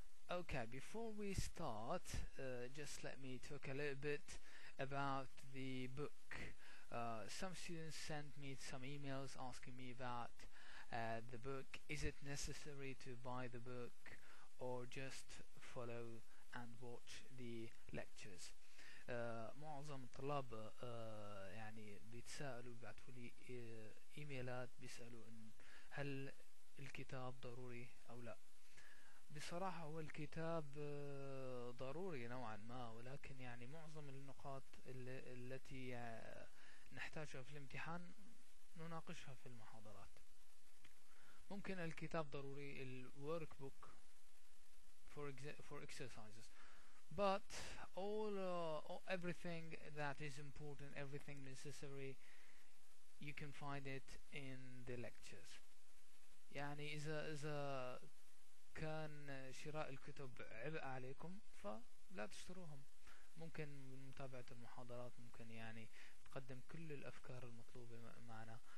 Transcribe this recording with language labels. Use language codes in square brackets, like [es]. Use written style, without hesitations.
[en] Okay, before we start, just let me talk a little bit about the book. Some students sent me some emails asking me about the book. Is it necessary to buy the book or just follow and watch the lectures? [ar] معظم الطلاب يعني بيتسألوا بيبعتوا لي إيميلات بيسألوا إن هل الكتاب ضروري أو لا. بصراحة هو الكتاب ضروري نوعا ما، ولكن يعني معظم النقاط التي نحتاجها في الامتحان نناقشها في المحاضرات. ممكن الكتاب ضروري ال [en] workbook for exercises. But all everything that is important, everything necessary, you can find it in the lectures. [ar] يعني إذا كان شراء الكتب عبء عليكم فلا تشتروهم. ممكن متابعة المحاضرات ممكن يعني تقدم كل الأفكار المطلوبة معنا.